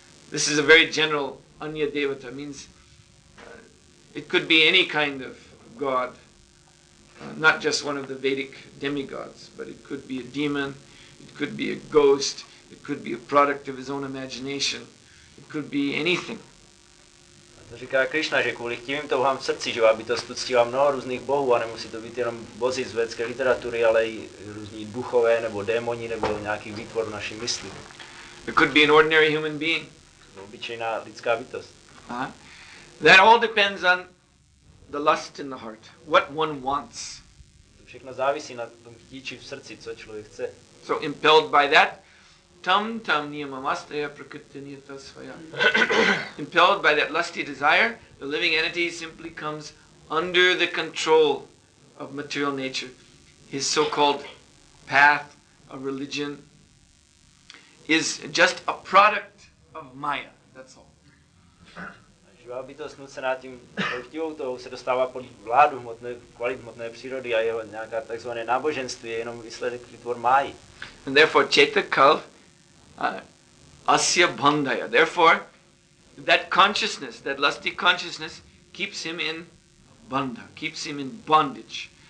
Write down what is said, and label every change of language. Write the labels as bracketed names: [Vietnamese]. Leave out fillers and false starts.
[English] This is a very general anya devata. Means it could be any kind of god, not just one of the Vedic demigods, but it could be a demon, it could be a ghost, it could be a product of his own imagination, it could be anything. [Czech] To říká Krišna, že kvůli chtivým touhám v srdci, že aby to uctívá mnoho různých bohů a nemusí to být jenom bozy z vědecké literatury, ale i různí duchové nebo démoni nebo nějaký výtvor naší mysli. [English] It could be an ordinary human being. [Czech] Obyčejná lidská bytost. [English] That all depends on the lust in the heart, what one wants. [Czech] To všechno závisí na tom chtíči v srdci, co člověk chce. [English] So impelled by that, [Sanskrit] tam tam niyamamastaya prakritinita svaya. [English] Impelled by that lusty desire, the living entity simply comes under the control of material nature. His so-called path of religion is just a product of maya, that's all. [Czech] Živá bytost nucená tím chtivou touhou se dostává pod vládu hmotné, kvalit hmotné přírody a jeho nějaká takzvané náboženství je jenom výsledek výtvor máji. [English] And therefore [Sanskrit] chetakal asya bandhaya. [English] Therefore, that consciousness, that lusty consciousness, keeps him in bandha, keeps him in bondage.